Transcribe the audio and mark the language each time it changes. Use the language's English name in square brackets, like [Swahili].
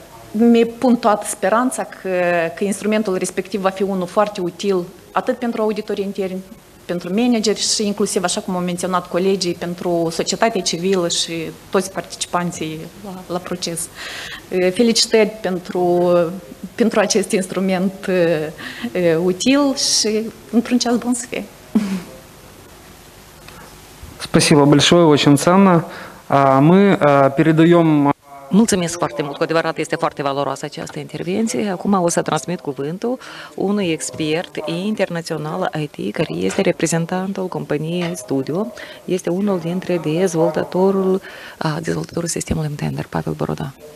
[Romanian] Mi-pun toată speranța că instrumentul respectiv va fi unul foarte util atât pentru auditorii interni, pentru manageri și inclusiv, așa cum au menționat colegii, pentru societatea civilă și toți participanții la proces. Felicitări pentru acest instrument util și într-un ceas bun să fie. [Russian] Спасибо большое, очень ценно. Мы передаем... [Romanian] Mulțumesc foarte mult, cu adevărat este foarte valoroasă această intervenție. Acum o să transmit cuvântul unui expert internațional IT, care este reprezentantul companiei Studio. Este unul dintre dezvoltatorul sistemului Mtender, Pavel Boroda.